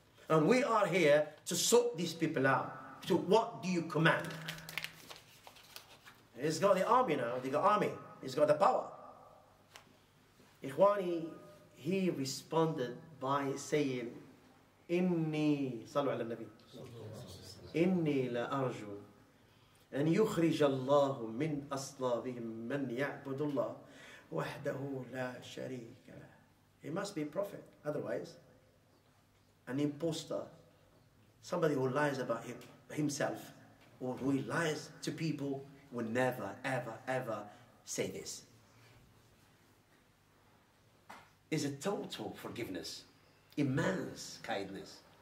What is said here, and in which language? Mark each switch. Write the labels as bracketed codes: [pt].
[en] And we are here to sort these people out. So what do you command? He's got the army now, he's got army. He's got the power. Ikhwani, he responded by saying, [ar] Inni, salu ala nabi. إني لا أرجو أن يخرج الله من أصلابهم من يعبد الله وحده لا شريك له. [en] He must be a prophet, otherwise an imposter, somebody who lies about himself or who lies to people will never, ever, ever say this. It's a total forgiveness, immense kindness.